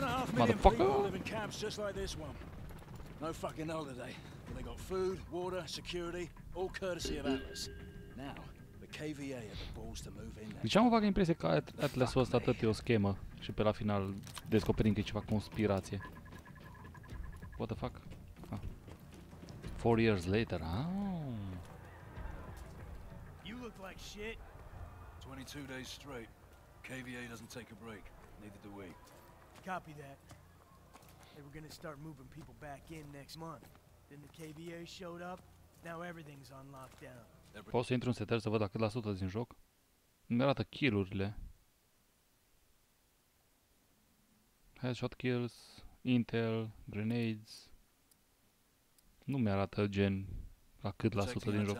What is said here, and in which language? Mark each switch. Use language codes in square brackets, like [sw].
[en] 2.5 million people live in camps just like this one. No fucking holiday. But they got food, water, security, all courtesy of Atlas. Now, the KVA had the balls to move in there. [ro] Deci am avut impresia că Atlas-ul ăsta tot e o schemă. Și pe la final descoperim că e ceva conspirație. [en] What the fuck? Ah. 4 years later, oh. You look like shit. 22 days straight. KVA doesn't take a break. Neither do we. Copy that. They were gonna start moving people back in next month. Then the KVA showed up. Now everything's on lockdown. [ro] Poți să intru în setări să văd cât la sută din joc? Nu arată kill-urile. [en] Headshot kills. Intel, grenades. [ro] Nu mi arată gen la cât la sută din joc.